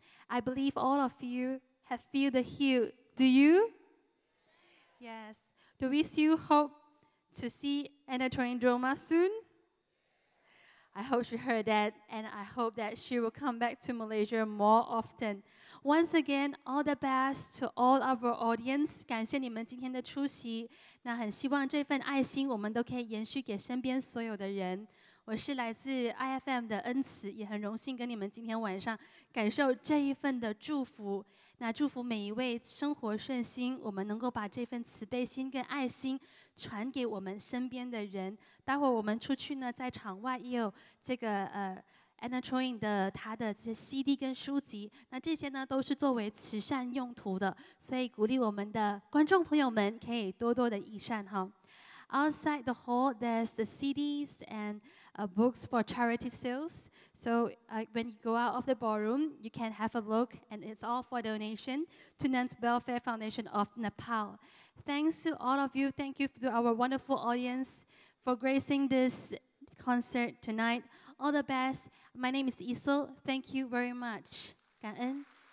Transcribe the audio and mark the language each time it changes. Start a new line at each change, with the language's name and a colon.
English: I believe all of you have feel the heal. Do you? Yes. Do we still hope to see Anna Choying Drolma soon? I hope she heard that, and I hope that she will come back to Malaysia more often. Once again, all the best to all our audience.
Chinese: 感谢你们今天的出席，那很希望这份爱心我们都可以延续给身边所有的人。我是来自 IFM 的恩慈，也很荣幸跟你们今天晚上感受这一份的祝福。那祝福每一位生活顺心，我们能够把这份慈悲心跟爱心传给我们身边的人。待会儿我们出去呢，在场外也有这个Anna Choying 的他的这些 CD 跟书籍，那这些呢都是作为慈善用途的，所以鼓励我们的观众朋友们可以多多的益善哈。
English: Outside the hall, there's the CDs and books for charity sales. So when you go out of the ballroom, you can have a look, and it's all for donation to Nans Welfare Foundation of Nepal. Thanks to all of you. Thank you to our wonderful audience for gracing this concert tonight. All the best. My name is Isil. Thank you very much.
Chinese: 感恩。